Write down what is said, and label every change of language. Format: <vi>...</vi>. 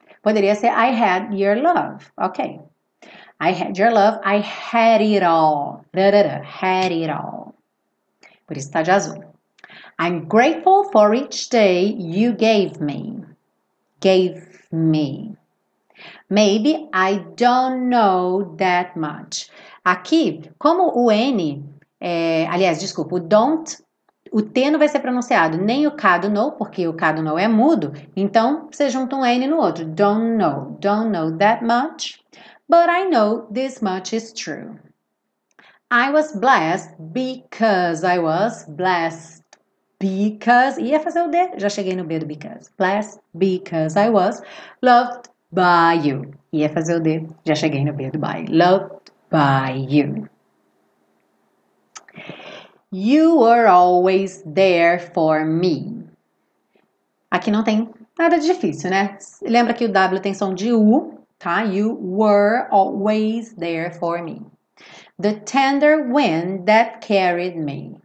<pt>Poderia ser</pt> <en>I had your love, ok. I had your love, I had it all, da, da, da, had it all.</en> <pt>Por isso tá de azul.</pt> <en>I'm grateful for each day you gave me. Gave me. Maybe I don't know that much.</en> <pt>Aqui, como o N, aliás, desculpa, o don't, o T não vai ser pronunciado, nem o K do know, porque o K do know é mudo, então você junta um N no outro.</pt> <en>Don't know that much. But I know this much is true. I was blessed because I was blessed.</en> <pt>Because, ia fazer o D, já cheguei no B do because.</pt> <en>Blessed because I was loved by you.</en> <pt>Ia fazer o D, já cheguei no B do by.</pt> <en>Loved by you. You were always there for me.</en> <pt>Aqui não tem nada de difícil, né? Lembra que o W tem som de U, tá?</pt> <en>You were always there for me. The tender wind that carried me.</en>